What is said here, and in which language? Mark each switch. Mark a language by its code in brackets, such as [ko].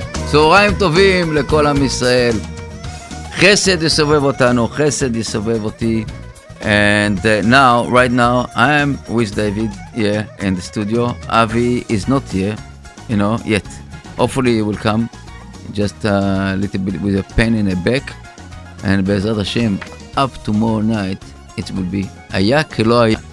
[he] צהריים טובים לכל עם ישראל. חסד יסובב אותנו, חסד יסובב אותי. [en] And now, right now, I am with David here in the studio. Avi is not here, you know, yet. Hopefully he will come. Just a little bit with a pain in the back. And בעזרת השם, up tomorrow night, it will be [he] היה כלא היה.